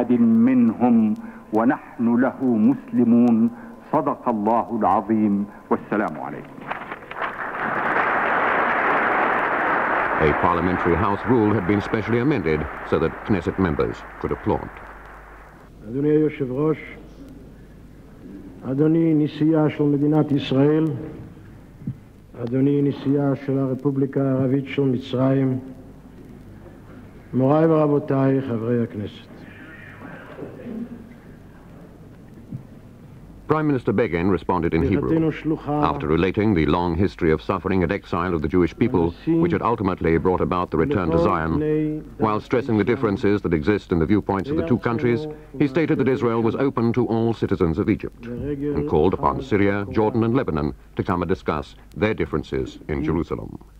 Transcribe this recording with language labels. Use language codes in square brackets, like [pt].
[ar] ونحن له مسلمون صدق الله العظيم والسلام عليكم. [en] A parliamentary house rule had been specially amended so that Knesset members could applaud. [he] אדוני היושב ראש, אדוני נשיאה של מדינת ישראל, אדוני נשיאה של הרפובליקה הערבית של מצרים, מוריי ורבותיי חברי הכנסת. [en] Prime Minister Begin responded in Hebrew. After relating the long history of suffering and exile of the Jewish people, which had ultimately brought about the return to Zion, while stressing the differences that exist in the viewpoints of the two countries, he stated that Israel was open to all citizens of Egypt and called upon Syria, Jordan, and Lebanon to come and discuss their differences in Jerusalem.